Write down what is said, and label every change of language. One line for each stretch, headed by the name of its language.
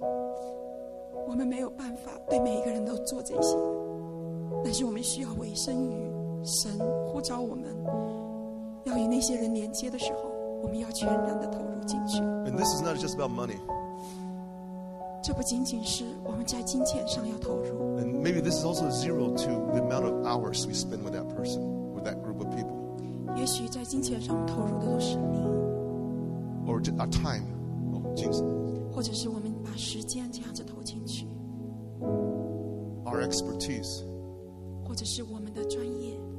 Chinese: 我们没有办法对每一个人都做这些，但是我们需要委身于神呼召我们，要与那些人连接的时候，我们要全然的投入进去。
English: And this is not just about money.
Chinese: 这不仅仅是我们在金钱上要投入。
English: And maybe this is also zero to the amount of hours we spend with that person, with that group of people.
Chinese: 也许在金钱上投入的都是你
English: or our time, 金钱，
Chinese: 或者是我们把时间这样子投进去
English: our expertise,
Chinese: 或者是我们的专业